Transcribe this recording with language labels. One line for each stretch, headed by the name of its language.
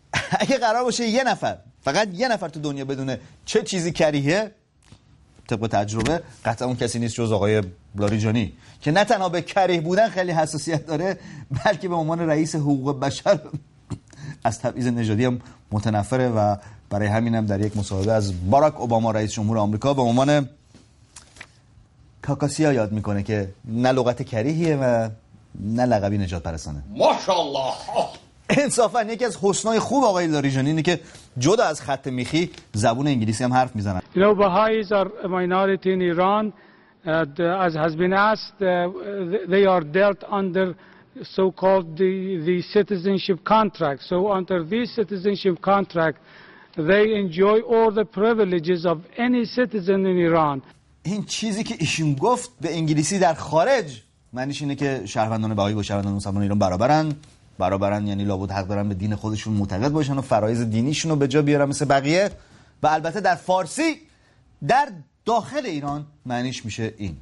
Persian: اگه قرار باشه یه نفر، فقط یه نفر تو دنیا بدونه چه چیزی کریهه، طبق تجربه قطعا اون کسی نیست جز آقای لاریجانی که نه تنها به کریه بودن خیلی حساسیت داره، بلکه به عنوان رئیس حقوق بشر از تبعیض نژادی هم متنفره و برای همین هم در یک مصاحبه از باراک اوباما رئیس جمهور آمریکا به عنوان کاکاسیا یاد میکنه که نه لغت کریهیه و نه لقبی نجات پرستانه. ماشاءالله. انصافا یکی از حسنای خوب آقای لاریجانی اینه که جدا از خط میخی زبون انگلیسی هم حرف میزنن.
English: You know, Baha'is are a minority in Iran as has been asked. They are dealt under so-called the citizenship contract. So under this citizenship contract they enjoy all the privileges of any citizen in Iran.
Persian: این چیزی که ایشون گفت به انگلیسی در خارج معنیش اینه که شهروندان بهایی با شهروندان مسلمان ایران برابرن. برابرن یعنی لابد حق دارن به دین خودشون معتقد باشن و فرایض دینیشون رو به جا بیارن مثل بقیه. و البته در فارسی در داخل ایران معنیش میشه این.